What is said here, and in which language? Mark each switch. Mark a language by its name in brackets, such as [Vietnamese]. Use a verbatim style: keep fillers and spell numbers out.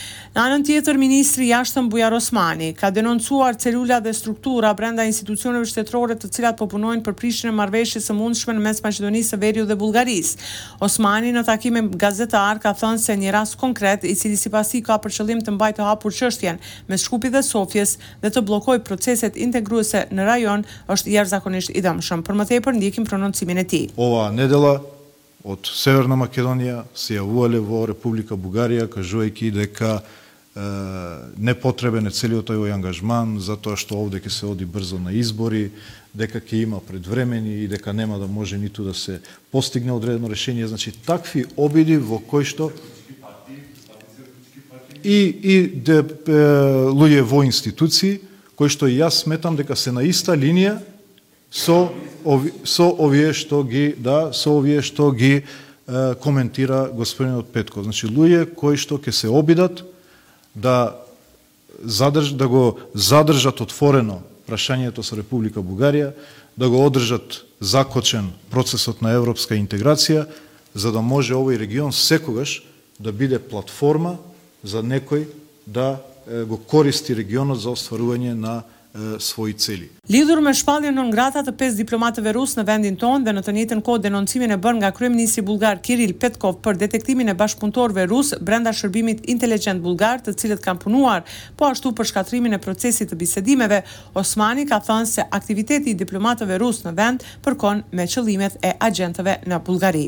[Albanian] Në anën tjetër, ministri i jashtëm Bujar Osmani ka denoncuar celula dhe struktura brenda institucioneve shtetërore të cilat po punojnë për prishjen e marrëveshjes së mundshme në mes Maqedonisë së Veriut dhe Bullgarisë. Osmani në takime gazetar ka thënë se një rast konkret i cili sipas tij ka për qëllim të mbajë të hapur çështjen me Shkupit dhe Sofjes dhe të bllokojë proceset integruese në rajon është jashtëzakonisht i dëmshëm. Për më tepër ndjekim prononcimin e tij. [Macedonian] Ova nedela од Северна Македонија се јавувале во Република Бугарија, кажувајќи дека е, непотребен е целиот тој ангажман, затоа што овде ќе се оди брзо на избори, дека ќе има предвремени и дека нема да може ниту да се постигне одредено решение. Значи, такви обиди во кои што и, и де, е, луѓе во институции, кои што јас сметам дека се на иста линија со Ови, со овие што ги, да, со овие што ги е, коментира господинот Петков. Значи, луѓе кои што ќе се обидат да задрж, да го задржат отворено прашањето со Република Бугарија, да го одржат закочен процесот на европска интеграција, за да може овој регион секогаш да биде платформа за некој да е, го користи регионот за остварување на svoji celi. [Albanian] Lidhur me shpalljen non grata të pesë diplomatëve rusë në vendin tonë dhe në të njëjtën kohë denoncimin e bërë nga kryeministri bullgar Kiril Petkov për detektimin e bashkëpunëtorëve rusë brenda shërbimit inteligjent bullgar, të cilët kanë punuar po ashtu për shkatrimin e procesit të bisedimeve, Osmani ka thënë se aktiviteti i diplomatëve rusë në vend përkon me qëllimet e agentëve në Bullgari.